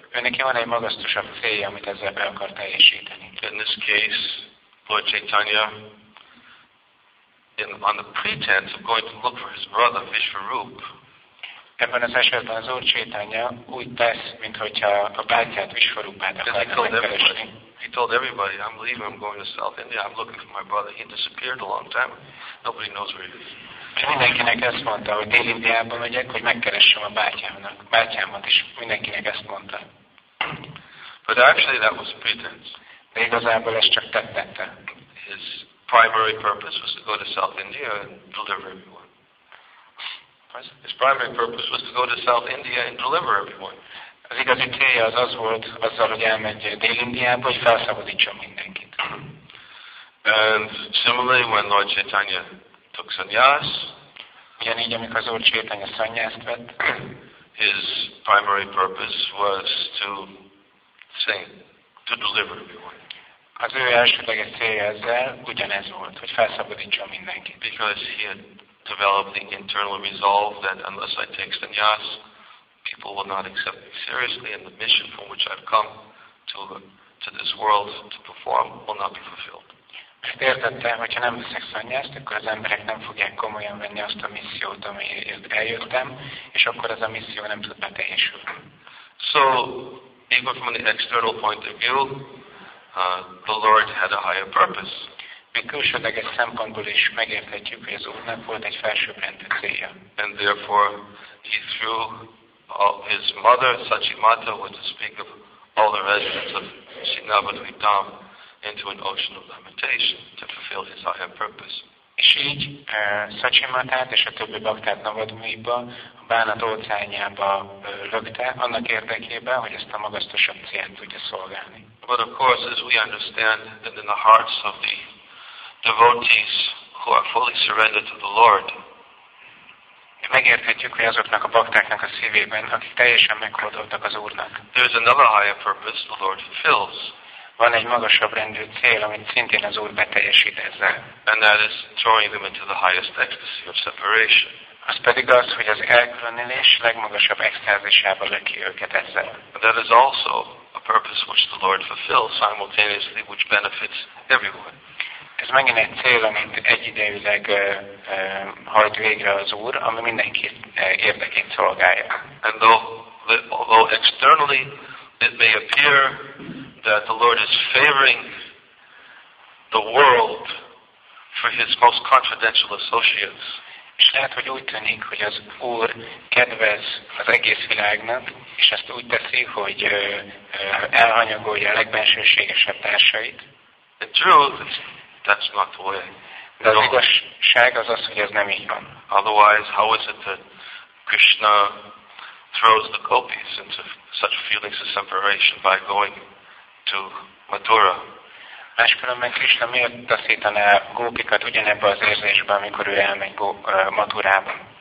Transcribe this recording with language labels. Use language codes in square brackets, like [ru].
[hu] Önnek van egy magasztosabb célja, amit ezzel be akar teljesíteni. [en] In this case, Lord Chaitanya, on the pretense of going to look for his brother Vishwarup. [hu] Ebben az esetben az Úr Chaitanya úgy tesz, mintha a bátyját Vishwarupát akarja megkeresni. [en] He told everybody, I'm leaving, I'm going to South India, I'm looking for my brother. He disappeared a long time. Nobody knows where he is. [hu] Mindenkinek ezt mondta, hogy Dél-Indiában megyek, hogy megkeressem a bátyámat, és mindenkinek ezt mondta. [en] But actually that was pretense. [hu] De igazából ez csak tettette. [en] His primary purpose was to go to South India and deliver everyone. His primary purpose was to go to South India and deliver everyone. [hu] Az igazi célja az az volt, azzal, hogy elmegy Dél-Indiába, hogy felszabadítsa mindenkit. [en] And similarly, when Lord Chaitanya took sannyas. [hu] Ugyanígy, amikor az Úr Chaitanya sannyást vett. [en] His primary purpose was to deliver everyone. [hu] Az ő elsődleges célja ezzel ugyanez volt, hogy felszabadítsa mindenkit. [en] Because he had develop the internal resolve that unless I take sannyas, people will not accept me seriously, and the mission from which I've come to this world to perform will not be fulfilled. [hu] Értettem, hogyha nem veszek szanyást, akkor az emberek nem fogják komolyan venni azt a missziót, amiért eljöttem, és akkor az a misszió nem tud beteljesülni. [en] So, even from the external point of view, the Lord had a higher purpose. [hu] Mi külsődleges szempontból is megérthetjük, hogy az Úrnak volt egy felsőbbrendű célja. [en] And therefore, he threw his mother, Sachimata, who to speak of all the residents of Sinabadvitam, into an ocean of lamentation to fulfill his higher purpose. [hu] És így Sachimatát és a többi baktát Navadvipa a bánat óceánjába lökte, annak érdekében, hogy ezt a magasztosabb célt tudja szolgálni. [en] But of course, as we understand, that in the hearts of the devotees who are fully surrendered to the Lord, [hu] megérthetjük, hogy azoknak a baktáknak a szívében, akik teljesen meghódoltak az Úrnak. [en] There is another higher purpose the Lord fulfills. [hu] Van egy magasabb rendű cél, amit szintén az Úr beteljesít ezzel. [en] And that is drawing them into the highest ecstasy of separation. [hu] Az pedig az, hogy az elkülönülés legmagasabb extázisába löki őket ezzel. [en] And that is also a purpose which the Lord fulfills simultaneously, which benefits everyone. [hu] Ez megint egy cél, amit egyidejűleg hajt végre az Úr, ami mindenki érdekét szolgálja. [en] And although externally it may appear that the Lord is favoring the world for his most confidential associates. [hu] És lehet, hogy úgy tűnik, hogy az Úr kedvez az egész világnak, és ezt úgy teszi, hogy elhanyagolja a legbensőségesebb társait. [en] The truth is, that's not the way. [hu] De az igazság az az, hogy ez nem így van. [en] Otherwise, how is it that Krishna throws the gopis into such feelings of separation by going to Mathura? [hu] Máskülönben Krishna miért taszítaná gópikat ugyanebbe az érzésbe, amikor ő elmegy Mathurába?